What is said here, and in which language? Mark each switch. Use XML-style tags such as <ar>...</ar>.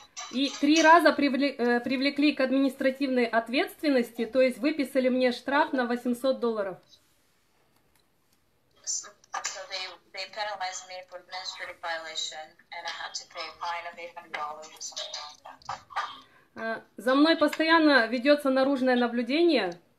<ru>И три раза привлекли к административной ответственности, то есть выписали мне штраф на $800.</ru> <en>So they penalized me for administrative violation and I had to pay a fine of $800 or something like that.</en> <ru>За мной постоянно ведется наружное наблюдение.</ru>